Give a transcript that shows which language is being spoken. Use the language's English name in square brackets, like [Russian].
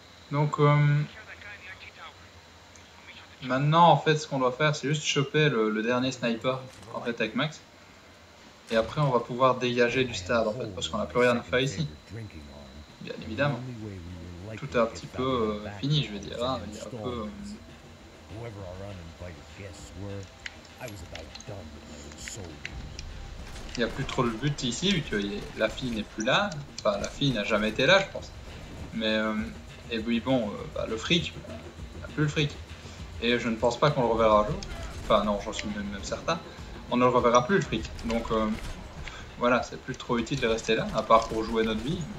[French] Donc, maintenant, en fait, ce qu'on doit faire, c'est juste choper le dernier sniper, en fait, avec Max. Et après, on va pouvoir dégager du stade, en fait, parce qu'on n'a plus rien à faire ici. Bien évidemment. Tout est un petit peu fini, je veux dire, hein, il y a un peu... [English] Whoever our uninvited guests were, I was about done with my soul. [French] Il n'y a plus trop le but ici, vu que la fille n'est plus là. Enfin, la fille n'a jamais été là, je pense. Mais, et oui, bon, bah, le fric, il n'y a plus le fric. Et je ne pense pas qu'on le reverra un jour. Enfin, non, j'en suis même certain. On ne le reverra plus, le fric. Donc, voilà, c'est plus trop utile de rester là, à part pour jouer notre vie.